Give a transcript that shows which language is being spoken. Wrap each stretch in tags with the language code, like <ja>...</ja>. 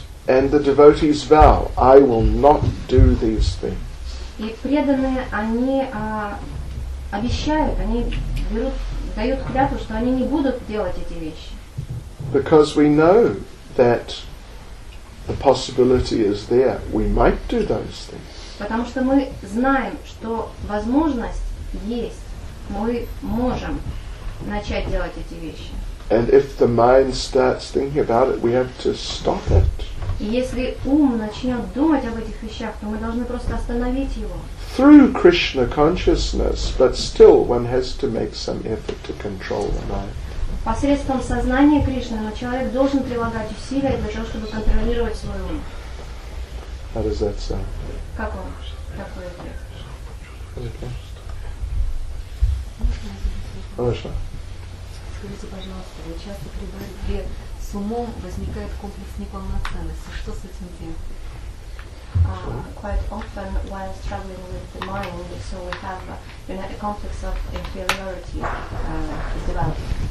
<en>And the devotees vow, I will not do these things.</en> <ru>И преданные, они обещают, они берут, дают клятву, что они не будут делать эти вещи.</ru> <en>Because we know that the possibility is there, we might do those things.</en> <ru>Потому что мы знаем, что возможность есть, мы можем начать делать эти вещи.</ru> <en>And if the mind starts thinking about it, we have to stop it.</en> <ru>Если ум начнет думать об этих вещах, то мы должны просто остановить его.</ru> <en>Through Krishna consciousness, but still one has to make some effort to control the mind.</en> <ru>Посредством сознания Кришны, но человек должен прилагать усилия для того, чтобы контролировать свой ум.</ru> <en>How does that sound?</en> <ru>Как он? Какой ответ? Хорошо. Скажите, пожалуйста, вы часто при борьбе с умом возникает комплекс неполноценности. Что с этим делать?</ru> <en>Quite often, while struggling with the mind, so we have a complex of inferiority is developing.</en>